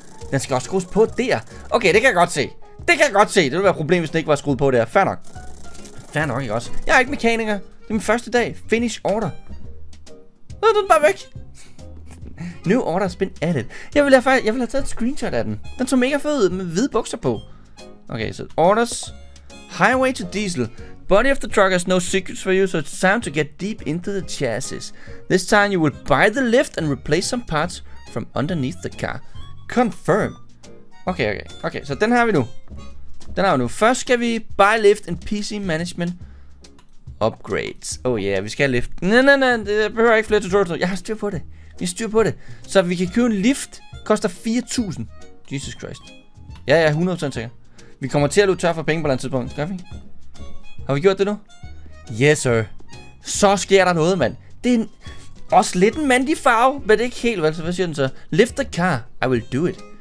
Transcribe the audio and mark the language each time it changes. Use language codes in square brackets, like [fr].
[da] Den skal også skrues på der. Okay, det kan jeg godt se. Det ville være et problem, hvis den ikke var skruet på der. Fair nok, ikke også. Jeg er ikke mekaniker. Det er min første dag. [en] Finish order. [da] Nu er den bare væk. [en] New order has been added. [da] Jeg ville have taget et screenshot af den. Den tog mega fed ud med hvide bukser på. Okay, så orders. [en] Highway to diesel. Body of the truck has no secrets for you, so it's time to get deep into the chassis. This time you will buy the lift and replace some parts from underneath the car. Confirm. [da] Okay, så den har vi nu. Først skal vi [en] buy lift and PC management upgrades. Oh yeah, [da] vi skal have lift. Nej, jeg behøver ikke flere tutorials. Jeg har styr på det. Så vi kan købe en lift, koster 4.000. Jesus Christ. Ja, jeg er 100% sikker. Vi kommer til at løbe tør for penge på et eller andet tidspunkt. Gør vi? Har vi gjort det nu? [en] Yes, sir. [da] Så sker der noget, mand. Det er også lidt en mandig farve, men det er ikke helt, vel? Så hvad siger den så? [en] Lift the car. I will do it.